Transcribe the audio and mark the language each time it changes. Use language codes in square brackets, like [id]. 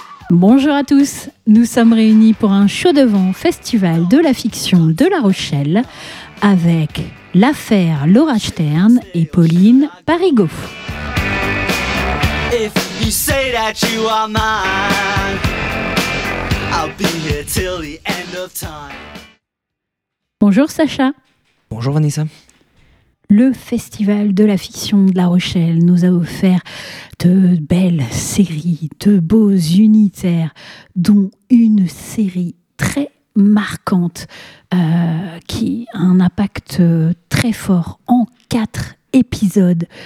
[fr] Bonjour à tous, nous sommes réunis pour un chaud devant festival de la fiction de La Rochelle avec l'affaire Laura Stern et Pauline Parigot. [en] If you say that you are mine, I'll be here till the end of time. [fr] Bonjour Sacha. Bonjour Vanessa. Le Festival de la Fiction de La Rochelle nous a offert de belles séries, de beaux unitaires, dont une série très marquante qui a un impact très fort en 4 épisodes.